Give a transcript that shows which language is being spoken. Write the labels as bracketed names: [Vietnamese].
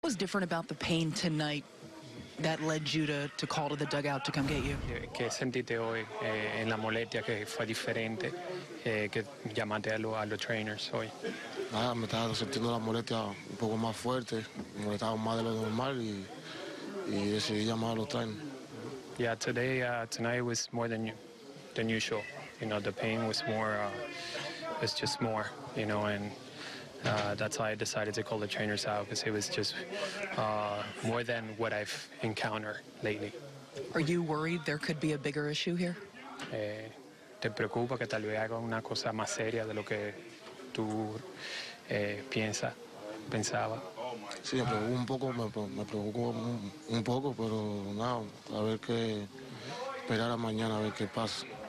[English] was different about the pain tonight that led you to call to the dugout to come get you? [Spanish] Que sentiste hoy en la molestia que fue diferente que llamaste a los trainers hoy. Nada, me estaba sintiendo la molestia un poco más fuerte, me molestaba más de lo normal y decidí llamar a los trainers. [English] Yeah, tonight was more than usual. You know, the pain was more, was just more, you know, and that's why I decided to call the trainers out, because it was just more than what I've encountered lately. Are you worried there could be a bigger issue here? [Spanish] Te preocupa que tal vez haga una cosa más seria de lo que tú pensaba. Sí, me preocupo un poco, pero nada, a ver qué esperar a mañana a ver qué pasa.